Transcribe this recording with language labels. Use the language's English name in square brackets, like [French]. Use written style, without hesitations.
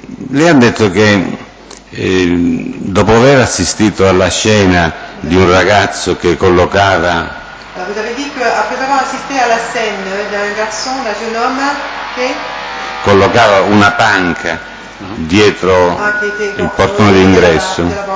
[Italian] Lei ha detto che dopo aver assistito alla scena di un ragazzo che collocava. [French] Vous avez dit que après avoir assisté à la scène d'un garçon, d'un jeune homme che [Italian] collocava una panca dietro il portone d'ingresso.